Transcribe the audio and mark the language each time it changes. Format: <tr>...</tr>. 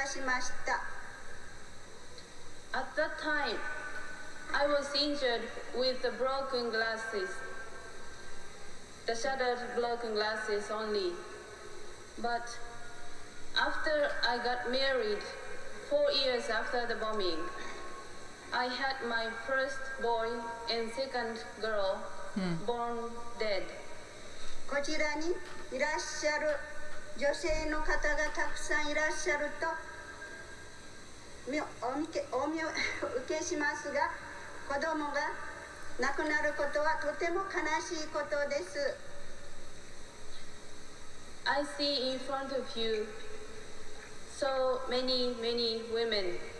<en>At that time, I was injured with the broken glasses, the shattered broken glasses only. But After I got married, 4 years after the bombing, I had my first boy and second girl born dead.</en> <ja>こちらにいらっしゃる女性の方がたくさんいらっしゃると、お見受けしますが、子供が亡くなることはとても悲しいことです。</ja> <en>I see in front of you so many, many women.</en>